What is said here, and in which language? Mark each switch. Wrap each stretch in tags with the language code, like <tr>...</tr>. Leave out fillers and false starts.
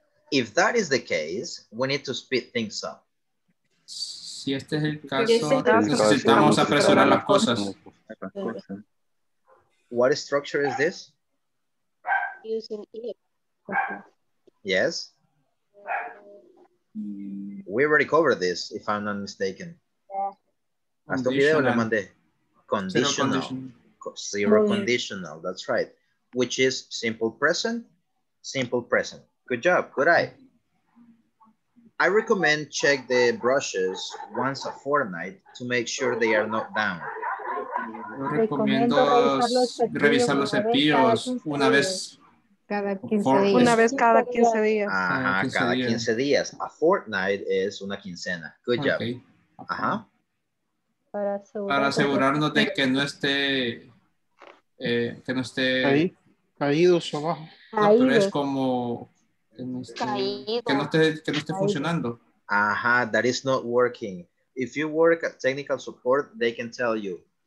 <en>If that is the case, we need to speed things up.</en> <es>Si este es el caso, necesitamos apresurar las cosas.</es> <en>What structure is this? Using if. Yes. We already covered this, if I'm not mistaken.</en> <es>Hasta video le mandé.</es> <en>Conditional. Zero conditional, that's right. Which is simple present? Simple present. Good job, good eye. I recommend check the brushes once a fortnight to make sure they are not down.</en> <es>Yo recomiendo revisar los cepillos una vez cada 15 días. Una vez cada 15 días. Ajá, cada 15 días. A fortnight es una quincena.</es> <en>Good job. Okay.</en> <es>Ajá. Para asegurarnos de que no esté ahí, caídos o abajo. No, pero es como que no esté funcionando.</es> <en>Ajá, that is not working. If you work at technical support, they can tell you.</en>